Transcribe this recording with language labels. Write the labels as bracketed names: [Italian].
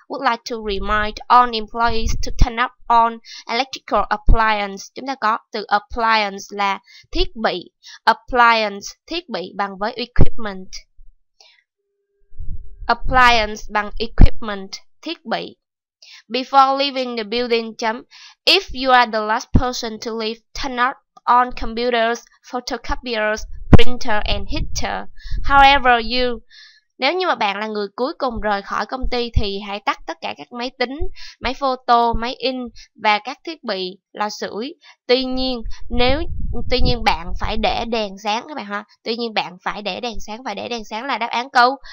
[English] Would like to remind all employees to turn up on electrical appliance. [Vietnamese] Chúng ta có từ appliance là thiết bị, appliance thiết bị bằng với equipment, appliance bằng equipment thiết bị. [English] Before leaving the building, if you are the last person to leave, turn up on computers, photocopiers, printer and heater. However, you [Vietnamese] Nếu như mà bạn là người cuối cùng rời khỏi công ty thì hãy tắt tất cả các máy tính, máy photo, máy in và các thiết bị lò sưởi. Tuy nhiên bạn phải để đèn sáng các bạn ha. Tuy nhiên bạn phải để đèn sáng và để đèn sáng là đáp án câu.